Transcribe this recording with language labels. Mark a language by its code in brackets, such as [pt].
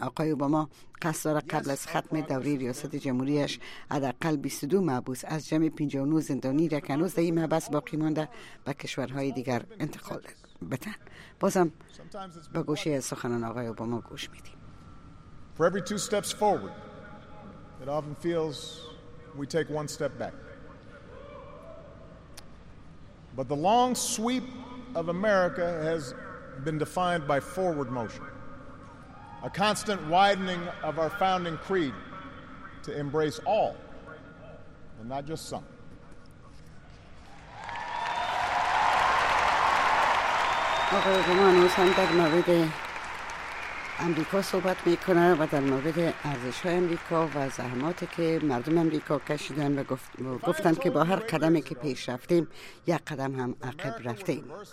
[fa] آقای اوباما قصد داره قبل از ختم دوره ریاست جمهوریش حداقل 22 محبوس از جمع 59 زندانی را که هنوز در این محبس باقی مانده به کشورهای دیگر انتقال بدن. بازم به گوشه سخنان آقای اوباما گوش میدیم. [en] For every two steps forward, it often feels we take one step back. But the long sweep of America has been defined by forward motion, a constant widening of our founding creed to embrace all and not just some. [fa] آقای اوباما هنوز هم در مورد امریکا صحبت میکنه و در مورد ارزش‌های امریکا و زحماتی که مردم امریکا کشیدن و گفتن که با هر قدمی که پیش رفتیم یک قدم هم عقب رفتیم.